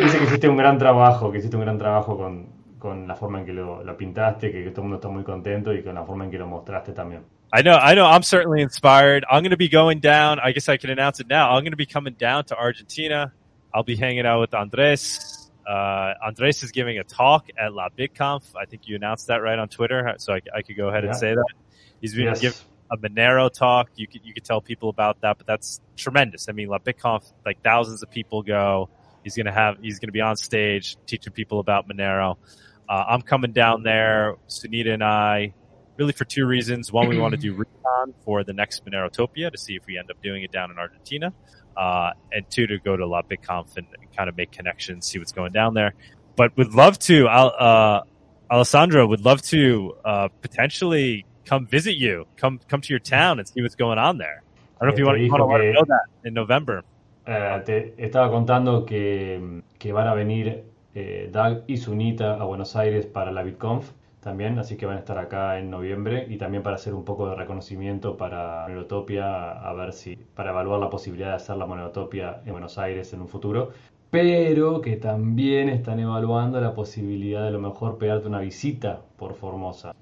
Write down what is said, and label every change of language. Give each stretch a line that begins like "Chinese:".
Spanish: Dice que hiciste un gran trabajo, con la forma en que lo pintaste, que todo el mundo está muy contento y con la forma en que lo mostraste también.
English: I know, I'm certainly inspired. I'm going to be going down. I guess I can announce it now. I'm going to be coming down to Argentina. I'll be hanging out with Andres. Andres is giving a talk at La BitConf. I think you announced that right on Twitter, so I could go ahead and say that. He's been giving a Monero talk. You could tell people about that, but that's tremendous. I mean, La BitConf, like thousands of people go. He's gonna be on stage teaching people about Monero. I'm coming down there, Sunita and I, really for two reasons. One, we want to do recon for the next Monerotopia to see if we end up doing it down in Argentina. And two, to go to La BitConf and kind of make connections, see what's going down there. But would love to, Alessandro, would love to potentially come visit you, come to your town and see what's going on there. I don't know if you want to know that in November.
Spanish: Te estaba contando que van a venir Doug y Sunita a Buenos Aires para La BitConf también, así que van a estar acá en noviembre y también para hacer un poco de reconocimiento para Monerotopia, a ver si para evaluar la posibilidad de hacer la Monerotopia en Buenos Aires en un futuro, pero que también están evaluando la posibilidad de a lo mejor pegarte una visita por Formosa.